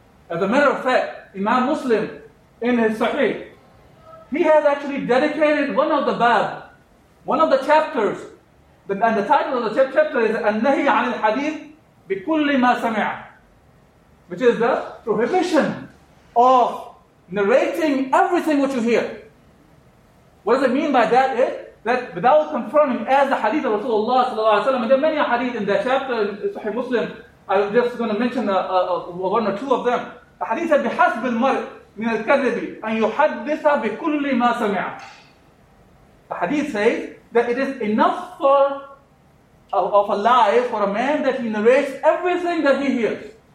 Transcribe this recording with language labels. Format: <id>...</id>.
<en>As a matter of fact, Imam Muslim in his Sahih, he has actually dedicated one of the bab, one of the chapters, and the title of the chapter is An-Nahi</en> <ar>عن الحديث بكل ما سمع,</ar> <en>which is the prohibition of narrating everything what you hear. What does it mean by that? That without confirming, as the hadith of Rasulullah sallallahu alaihi wasallam, and there are many hadith in that chapter in Sahih Muslim. I'm just going to mention one or two of them. The hadith of</en> <ar>بحسب المرء من الكذب أن يحدث بكل ما سمع.</ar> <en>The hadith says that it is enough for a man that he narrates everything that he hears.</en>